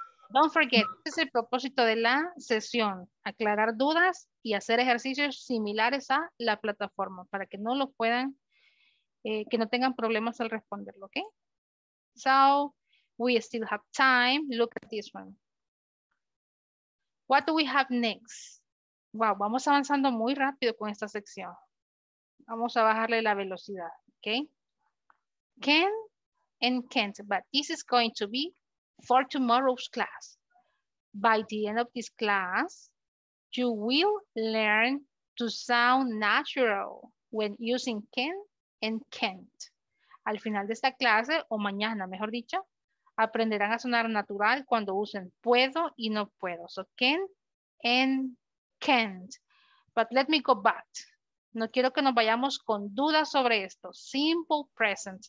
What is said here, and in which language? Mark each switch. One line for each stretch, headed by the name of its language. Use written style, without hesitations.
English: Don't forget,
Spanish: este es el propósito de la sesión, aclarar dudas y hacer ejercicios similares a la plataforma para que no lo puedan, que no tengan problemas al responderlo, ¿ok?
English: So, we still have time. Look at this one. What do we have next?
Spanish: Wow, vamos avanzando muy rápido con esta sección. Vamos a bajarle la velocidad, ¿ok?
English: Can and can't, but this is going to be for tomorrow's class. By the end of this class, you will learn to sound natural when using can and can't.
Spanish: Al final de esta clase, o mañana, mejor dicho, aprenderán a sonar natural cuando usen puedo y no puedo.
English: So can and can't. But let me go back.
Spanish: No quiero que nos vayamos con dudas sobre esto.
English: Simple present.